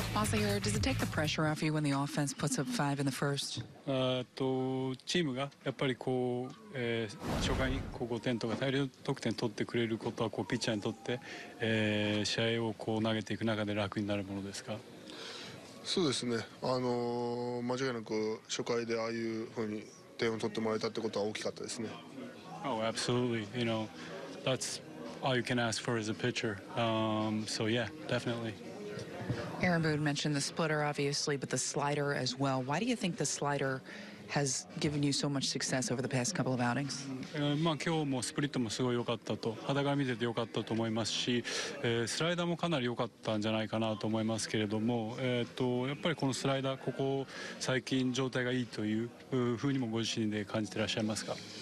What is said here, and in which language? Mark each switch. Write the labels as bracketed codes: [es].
[en] Monseigneur, does it take the pressure off you when the offense puts up five in the first? [ja] チームがやっぱりこう、初回にこう5点とか大量得点取ってくれることはこうピッチャーにとって、試合をこう投げていく中で楽になるものですか？そうですね。間違いなく初回でああいうふうに点を取ってもらえたってことは大きかったですね。 [en] Oh, absolutely. You know, that's all you can ask for as a pitcher. So yeah, definitely. Aaron Boone mentioned the splitter, obviously, but the slider as well. Why do you think the slider has given you so much success over the past couple of outings? [ja] まあ今日もスプリットもすごい良かったと、肌が見てて良かったと思いますし、スライダーもかなり良かったんじゃないかなと思いますけれども、やっぱりこのスライダー、ここ最近状態がいいというふうにもご自身で感じていらっしゃいますか？